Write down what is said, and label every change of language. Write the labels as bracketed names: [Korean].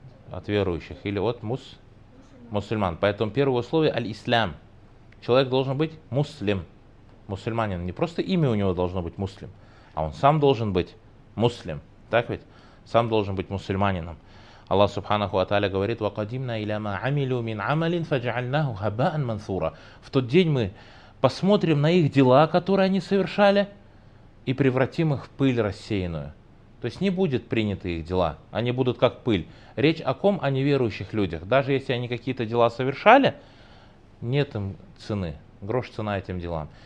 [Russian] от верующих или от мусульман. Поэтому первое условие аль-ислам. Человек должен быть муслим. Мусульманин. Не просто имя у него должно быть муслим, а он сам должен быть муслим. Так ведь? Сам должен быть мусульманином. [Arabic] Аллах субханаху ва тааля говорит: وَقَدِمْنَا إِلَى مَا عَمِلُوا مِنْ عَمَلٍ فَجَعَلْنَاهُ هَبَاءً مَنْثُورًا. [Russian] В тот день мы посмотрим на их дела, которые они совершали, и превратим их в пыль рассеянную. То есть не будет принято их дела, они будут как пыль. Речь о ком? О неверующих людях. Даже если они какие-то дела совершали, нет им цены, грош цена этим делам.